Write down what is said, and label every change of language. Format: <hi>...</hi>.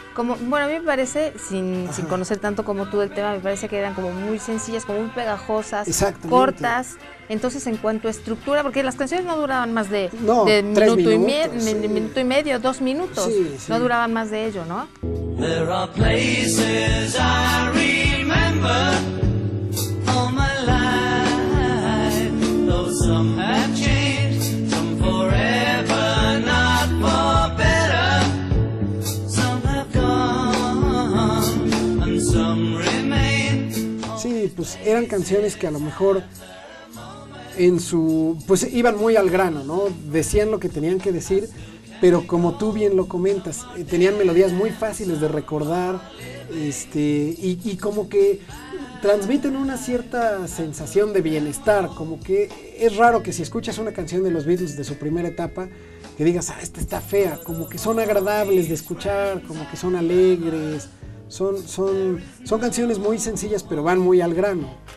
<es>como, bueno, a mí me parece, sin conocer tanto como tú del tema, me parece que eran como muy sencillas, como muy pegajosas, cortas. Entonces, en cuanto a estructura, porque las canciones no duraban más de minuto, minuto y medio, 2 minutos, sí, sí. No duraban más de ello, ¿no?</es> <en>There are places I remember all my life, though some have changed, some forever, not more better, some have gone, and some remain.</en> <es>Sí, pues eran canciones que a lo mejor en su, pues iban muy al grano, ¿no? Decían lo que tenían que decir, pero como tú bien lo comentas, tenían melodías muy fáciles de recordar, y como que transmiten una cierta sensación de bienestar, como que es raro que si escuchas una canción de los Beatles de su primera etapa, que digas, ah, esta está fea, como que son agradables de escuchar, como que son alegres, son canciones muy sencillas, pero van muy al grano.</es>